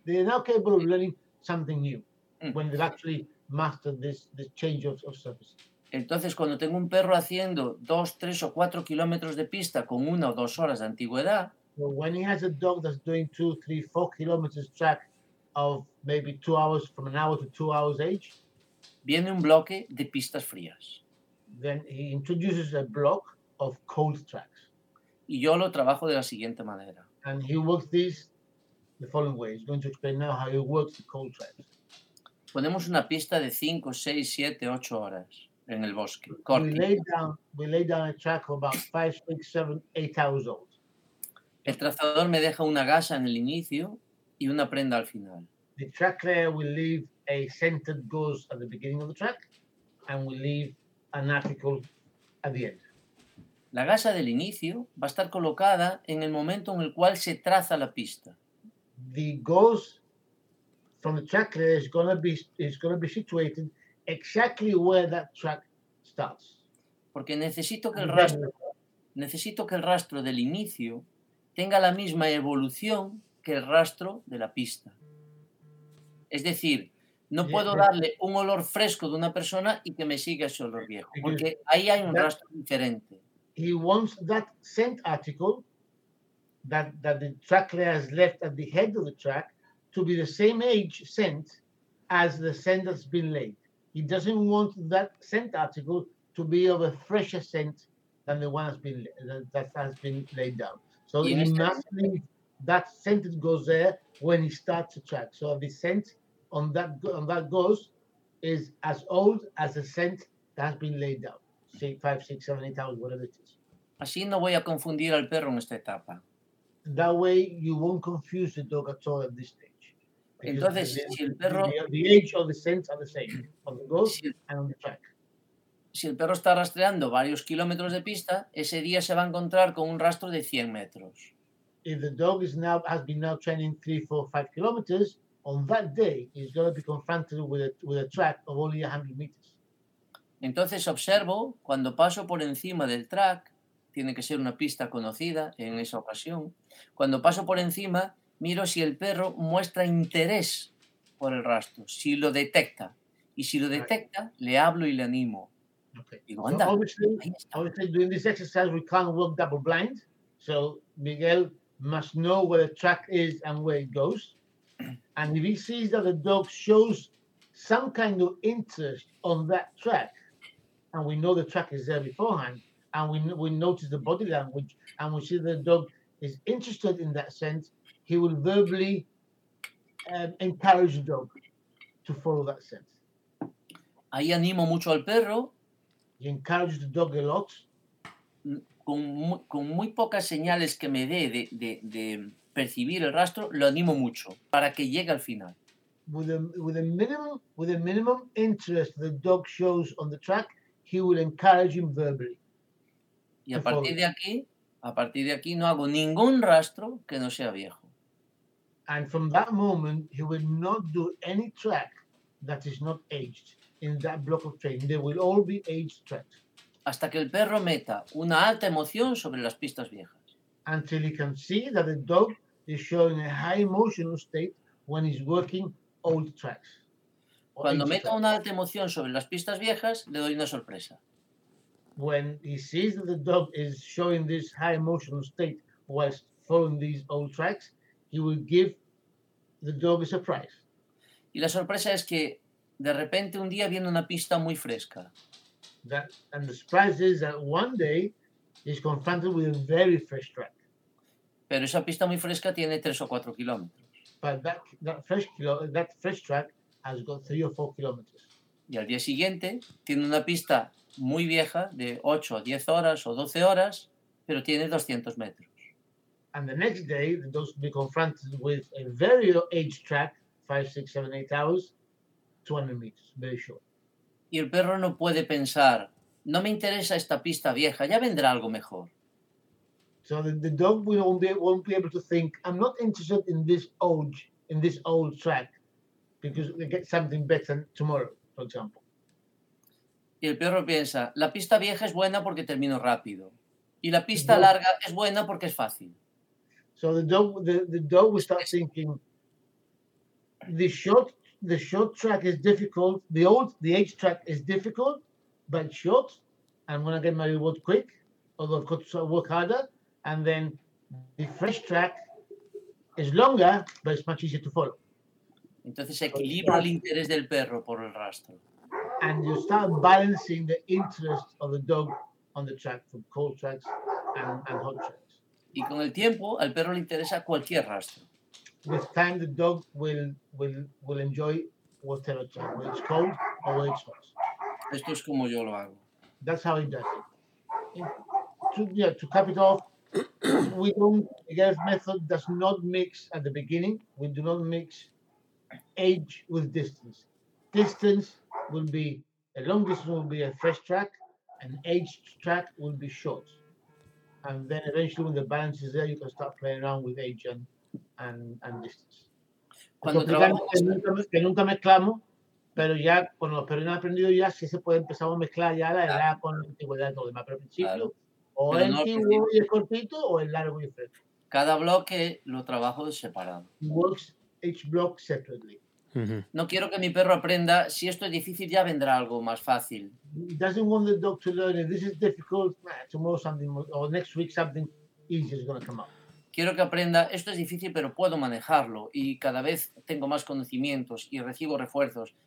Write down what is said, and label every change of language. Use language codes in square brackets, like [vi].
[en] They're now capable of learning something new when they've actually mastered this change of surface. [es] Entonces, cuando tengo un perro haciendo 2, 3 o 4 kilómetros de pista con 1 o 2 horas de antigüedad, [en] well, when he has a dog that's doing 2, 3, 4 kilometers track of maybe 2 hours, from an hour to 2 hours age, [es] viene un bloque de pistas frías. [en] Then he introduces a block of cold tracks. [es] Y yo lo trabajo de la siguiente manera. [en] And he works this the following way. He's going to explain now how he works the cold tracks. [es] Ponemos una pista de 5, 6, 7, 8 horas. En el bosque, [en] we lay down a track of about 5, 6, 7, 8 hours old. [es] El trazador me deja una gasa en el inicio y una prenda al final. [en] The track layer will leave a scented gauze at the beginning of the track and will leave an article at the end. [es] La gasa del inicio va a estar colocada en el momento en el cual se traza la pista. [en] The gauze from the track layer is going to be situated exactly where that track starts. [es] Porque necesito que el rastro del inicio tenga la misma evolución que el rastro de la pista. Es decir, no puedo darle un olor fresco de una persona y que me siga ese olor viejo, porque ahí hay un rastro diferente. [en] He wants that scent article that the track layer has left at the head of the track to be the same age scent as the scent that's been laid. He doesn't want that scent article to be of a fresher scent than the one that has been laid down. So he must leave that scent that goes there when he starts to track. So the scent on that goes is as old as the scent that has been laid down. Say 5, 6, 7, 8 hours, whatever it is. [es] Así no voy a confundir al perro en esta etapa. [en] That way you won't confuse the dog at all at this stage. [es] Entonces, si el perro... [en] The age of the scent are the same, on the goat and on the track. [es] Si el perro está rastreando varios kilómetros de pista, ese día se va a encontrar con un rastro de 100 metros. [en] If the dog has been now training 3, 4, 5 kilometers, on that day, he's going to be confronted with a track of only 100 meters. [es] Entonces, observo, cuando paso por encima del track, tiene que ser una pista conocida en esa ocasión. Cuando paso por encima, miro si el perro muestra interés por el rastro, si lo detecta. Y si lo detecta, le hablo y le animo. Okay. Digo, anda. [en] Obviously, doing this exercise, we can't work double blind. So Miguel must know where the track is and where it goes. And if he sees that the dog shows some kind of interest on that track, and we know the track is there beforehand, and we notice the body language, and we see the dog is interested in that scent, he will verbally encourage the dog to follow that scent. [es] Ahí animo mucho al perro. [en] He encourages the dog a lot. [es] Con muy pocas señales que me dé de percibir el rastro, lo animo mucho para que llegue al final. [en] With a minimum interest the dog shows on the track, he will encourage him verbally. [es] Y a partir de aquí no hago ningún rastro que no sea viejo. [en] And from that moment he will not do any track that is not aged in that block of training. They will all be aged tracks. [es] Hasta que el perro meta una alta emoción sobre las pistas viejas. [en] Until he can see that the dog is showing a high emotional state when he's working old tracks. [es] Cuando meta una alta emoción sobre las pistas viejas, le doy una sorpresa. [en] When he sees that the dog is showing this high emotional state whilst following these old tracks, he will give the dog a surprise. [es] Y la sorpresa es que de repente un día viene una pista muy fresca. [en] And the surprise is that one day he's confronted with a very fresh track. [es] Pero esa pista muy fresca tiene 3 o 4 kilómetros. [en] But that fresh track has got 3 or 4 kilometers. [es] Y al día siguiente tiene una pista muy vieja de 8 o 10 horas o 12 horas, pero tiene 200 metros. [en] And the next day the dog will be confronted with a very aged track, 5, 6, 7, 8 hours, 200 meters, very short. [es] Y el perro no puede pensar, no me interesa esta pista vieja, ya vendrá algo mejor. [en] So the dog won't be able to think, I'm not interested in this old track, because we get something better tomorrow, for example. [es] Y el perro piensa, la pista vieja es buena porque termino rápido. Y la pista larga es buena porque es fácil. [en] So the dog will start thinking, The short track is difficult. The age track is difficult, but short. I'm going to get my reward quick, although I've got to work harder. And then the fresh track is longer, but it's much easier to follow. [es] Entonces equilibra el interés del perro por el rastro. [en] And you start balancing the interest of the dog on the track from cold tracks and hot tracks. [es] Y con el tiempo, al perro le interesa cualquier rastro. [en] With time, the dog will enjoy whatever track, whether it's cold or whether it's hot. [es] Esto es como yo lo hago. [en] That's how he does it. To cap it off, Miguel's method does not mix at the beginning. We do not mix age with distance. Distance will be, a long distance will be a fresh track, an aged track will be short. And then eventually when the balance is there, you can start playing around with age and distance. [es] Cuando trabajamos, que nunca mezclamos, pero ya con los perros han aprendido ya si se puede empezar a mezclar ya la edad con la antigüedad del demás, pero el principio, claro. Y el cortito o el largo y el fresco. Cada bloque lo trabajo separado. [en] Works each block separately. Uh-huh. [es] No quiero que mi perro aprenda si esto es difícil ya vendrá algo más fácil. [en] He doesn't want the dog to learn if this is difficult. Tomorrow something or next week something easier is going to come up. [es] Quiero que aprenda, esto es difícil, pero puedo manejarlo y cada vez tengo más conocimientos y recibo refuerzos.